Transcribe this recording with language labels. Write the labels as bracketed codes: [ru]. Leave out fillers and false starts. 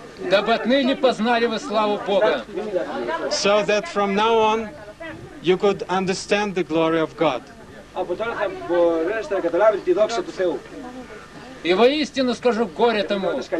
[ru] Дабы отныне познали вы славу Бога. [en] So that from now on you could understand the glory of God. [ru] И воистину скажу горе тому.